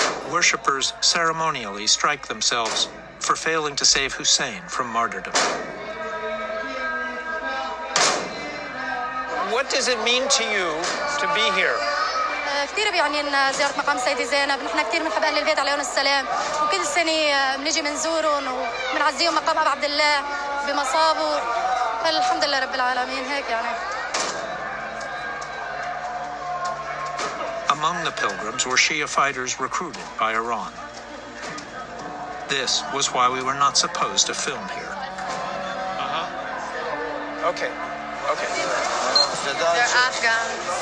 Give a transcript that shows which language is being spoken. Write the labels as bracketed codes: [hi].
[en] Worshippers ceremonially strike themselves for failing to save Hussein from martyrdom. What does it mean to you to be here? [ar] كثير بيعني لنا زيارة مقام سيدة زينب. نحن كثير من حبائل البيت عليهم السلام وكل سنة بنجي منزورهم ومنعزيهم مقام أبو عبد الله بمصابه. الحمد لله رب العالمين هيك يعني. [en] Among the pilgrims were Shia fighters recruited by Iran. This was why we were not supposed to film here. Okay. They're Afghans.